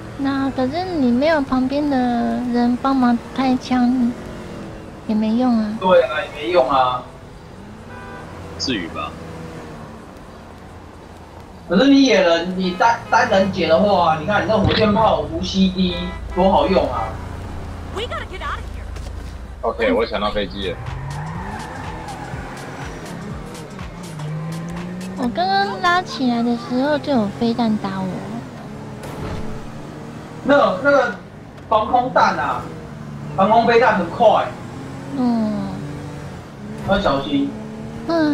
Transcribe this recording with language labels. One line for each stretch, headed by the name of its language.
Chinese: 那可是你没有旁边的人帮忙开枪，也没用啊。对啊，也没用啊。至于吧。可是你野人，你单人解的话，你看你那火箭炮无 CD 多好用啊。
English: We gotta get out of here.
Chinese: OK， 我抢到飞机了。我刚刚拉起来的时候就有飞弹打我。那个防空弹啊，防空飞弹很快。嗯。要小心。嗯。